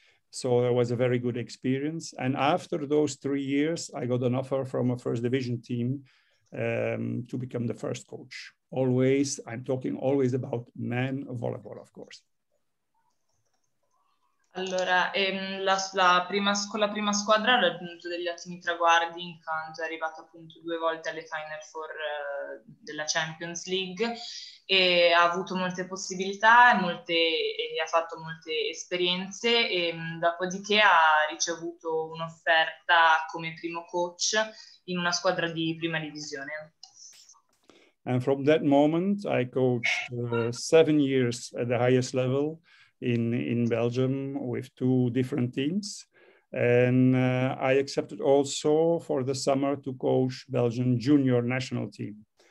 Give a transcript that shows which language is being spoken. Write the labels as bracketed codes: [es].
[en] So it was a very good experience. And after those 3 years, I got an offer from a first division team to become the first coach. Always, I'm talking always about men volleyball, of course. [it] Allora, la prima squadra ha raggiunto degli ottimi traguardi in quanto è arrivato appunto due volte alle Final Four della Champions League, e ha avuto molte possibilità e ha fatto molte esperienze, e dopodiché ha ricevuto un'offerta come primo coach in una squadra di prima divisione. [en] And from that moment, I coached 7 years at the highest level in Belgium with two different teams. And I accepted also for the summer to coach Belgian junior national team.